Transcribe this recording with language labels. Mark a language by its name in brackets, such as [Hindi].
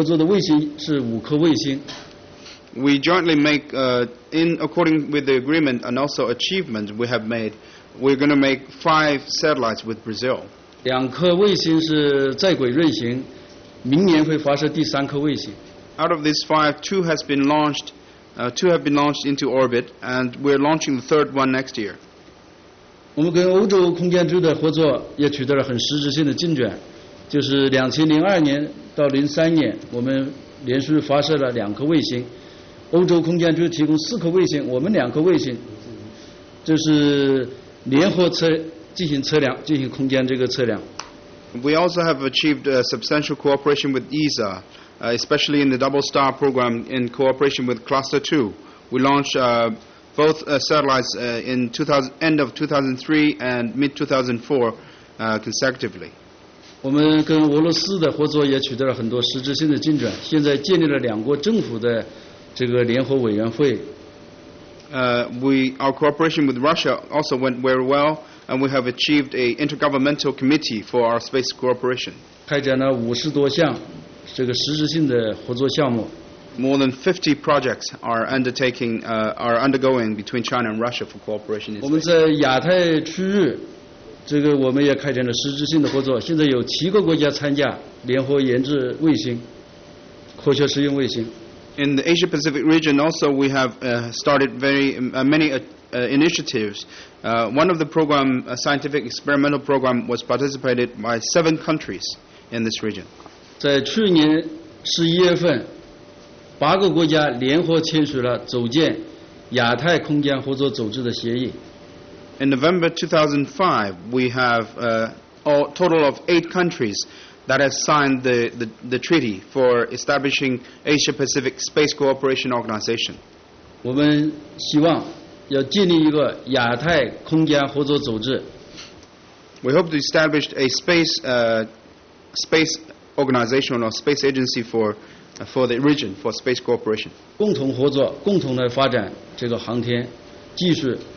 [Chinese] 我们跟巴西联合研制，目前的协议合作的卫星是5颗卫星。 [English] We jointly make, in according with the agreement and also achievement we have made, we're going to make 5 satellites with Brazil. [Chinese] 2颗卫星是在轨运行，明年会发射第3颗卫星。 [English] Out of these 5, 2 has been launched, 2 have been launched into orbit, and we're launching the 3rd one next year. [Chinese] 我们跟欧洲空间局的合作也取得了很实质性的进展。就是2002年到2003年，我们连续发射了两颗卫星，欧洲空间就提供四颗卫星，我们两颗卫星，就是联合测进行测量，进行空间这个测量。 [English] We also have achieved a substantial cooperation with ESA, especially in the Double Star program in cooperation with Cluster 2. We launched both satellites in end of 2003 and mid-2004 consecutively. [Chinese] 我们跟俄罗斯的合作也取得了很多实质性的进展，现在建立了两国政府的这个联合委员会。 [English] Our cooperation with Russia also went very well, and we have achieved an intergovernmental committee for our space cooperation. [Chinese] 开展了50多项这个实质性的合作项目。 [English] More than 50 projects are undertaking, are undergoing between China and Russia for cooperation in space. [Chinese] 我们在亚太区域，这个我们也开展了实质性的合作，现在有7个国家参加联合研制卫星，科学实用卫星。 [English] In the Asia Pacific region also we have started very many initiatives. One of the program, a scientific experimental program, was participated by 7 countries in this region. [Chinese] 在去年11月份，8个国家联合签署了组建亚太空间合作组织的协议。 [English] In November 2005, we have a total of 8 countries that have signed the treaty for establishing Asia Pacific Space Cooperation Organization. [Chinese] 我们希望要建立一个亚太空间合作组织。 [English] We hope to establish a space organization or space agency for the region for space cooperation. [Chinese] 共同合作，共同来发展这个航天技术。